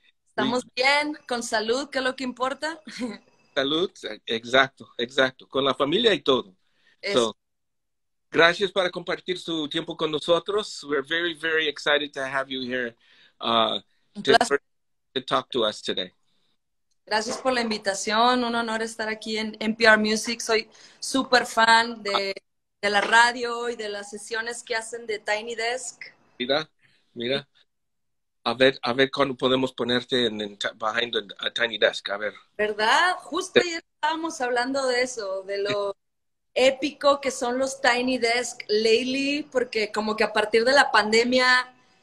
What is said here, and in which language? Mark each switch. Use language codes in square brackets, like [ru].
[es] Estamos bien, con salud, que es lo que importa. Salud, exacto, con la familia y todo. So, gracias por compartir su tiempo con nosotros. [en] We're very, very excited to have you here to talk to us today. [es] Gracias por la invitación. Un honor estar aquí en NPR Music. Soy súper fan de la radio y de las sesiones que hacen de Tiny Desk. Mira. A ver cuándo podemos ponerte en [en] behind a [es] Tiny Desk. A ver. ¿Verdad? Justo ayer estábamos hablando de eso, de lo épico que son los Tiny Desk lately, porque como que a partir de la pandemia...